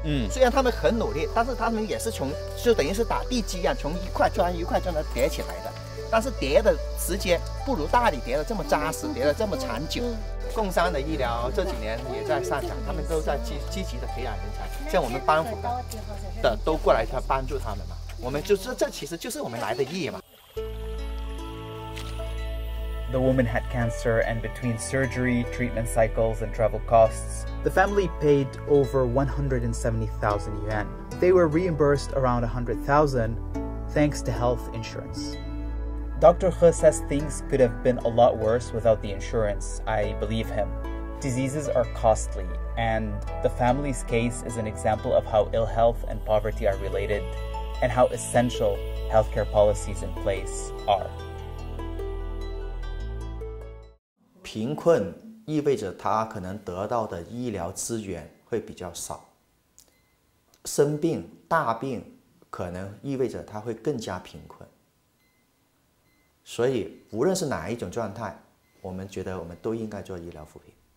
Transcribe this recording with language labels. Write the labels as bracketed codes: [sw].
[zh] 虽然他们很努力，但是他们也是从就等于是打地基一样，从一块砖一块砖的叠起来的，但是叠的时间不如大理叠的这么扎实，叠的这么长久。贡山的医疗这几年也在上涨，他们都在积极的培养人才，像我们班府的都过来帮助他们嘛。我们就是这其实就是我们来的意义嘛。 [en] The woman had cancer, and between surgery, treatment cycles, and travel costs, the family paid over 170,000 yuan. They were reimbursed around 100,000 thanks to health insurance. Dr. He says things could have been a lot worse without the insurance. I believe him. Diseases are costly, and the family's case is an example of how ill health and poverty are related, and how essential healthcare policies in place are. [zh] 贫困意味着他可能得到的医疗资源会比较少，生病大病可能意味着他会更加贫困。所以无论是哪一种状态，我们觉得我们都应该做医疗扶贫。